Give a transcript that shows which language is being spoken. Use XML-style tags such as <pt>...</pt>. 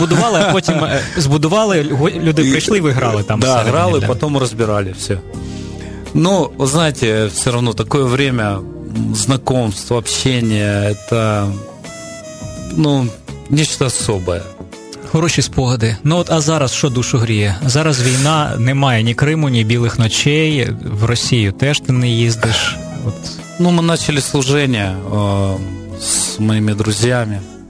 <uk>будували, а потім збудували, люди прийшли, виграли там. Да, грали, да. Потім розбирали все.</uk> <ru>Ну, вы знаете, все равно такое время... Знакомство, общение – это, ну, нечто особое.</ru> <uk>Хороші спогади. Ну, от, а зараз що душу гріє? Зараз війна, немає ні Криму, ні «Білих ночей», в Росію теж ти не їздиш. От. Ну, ми почали служення з моїми друзями.</uk>